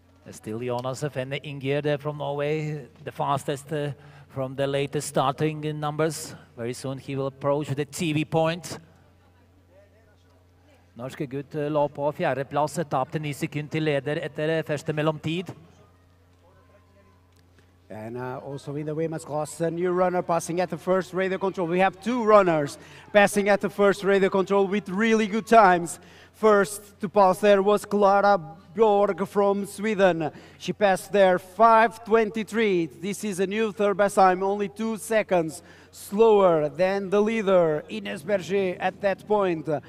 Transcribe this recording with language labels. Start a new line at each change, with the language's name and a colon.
English: Still Jonasov and Ingier there from Norway, the fastest from the latest starting in numbers. Very soon he will approach the TV point.
Norwegian: Norske gutt lå på fjerde plass, tapte 9 sekunder til leder etter første mellomtid.
English: And also in the women's class, a new runner passing at the first radio control. We have two runners passing at the first radio control with really good times. First to pass there was Clara Björk from Sweden. She passed there 5:23. This is a new third best time, only 2 seconds slower than the leader, Ines Berger, at that point.